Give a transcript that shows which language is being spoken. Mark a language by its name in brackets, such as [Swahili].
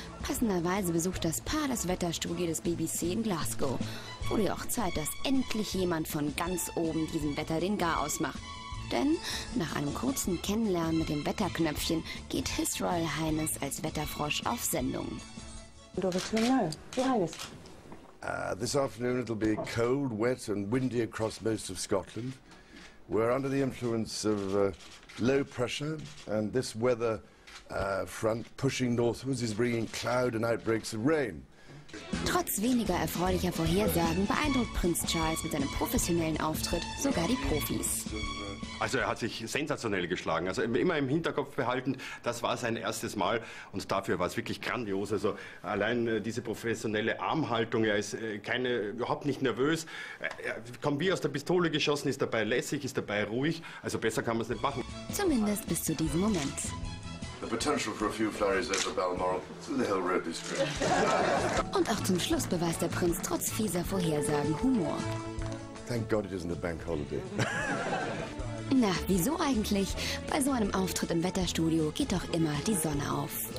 [German] Passenderweise besucht das Paar das Wetterstudio des BBC in Glasgow. Wurde auch Zeit, dass endlich jemand von ganz oben diesem Wetter den Garaus macht. Denn nach einem kurzen Kennenlernen mit dem Wetterknöpfchen geht [English] His Royal Highness [German] als Wetterfrosch auf Sendung. [English] Und over to now, Your Highness. This afternoon it'll be cold, wet and windy across most of Scotland. We're under the influence of low pressure, and this weather front pushing northwards is bringing cloud and outbreaks of rain. [German] Trotz weniger erfreulicher Vorhersagen beeindruckt Prinz Charles mit seinem professionellen Auftritt sogar die Profis. Also er hat sich sensationell geschlagen. Also immer im Hinterkopf behalten, das war sein erstes Mal und dafür war es wirklich grandios. Also allein diese professionelle Armhaltung, er ist überhaupt nicht nervös. Er kommt wie aus der Pistole geschossen, ist dabei lässig, ist dabei ruhig. Also besser kann man es nicht machen. Zumindest bis zu diesem Moment. [English] The potential for a few flurries over Balmoral to the Hill Road District. [German] Und auch zum Schluss beweist der Prinz trotz fieser Vorhersagen Humor. [English] Thank God it isn't a bank holiday. [German] Na, wieso eigentlich? Bei so einem Auftritt im Wetterstudio geht doch immer die Sonne auf.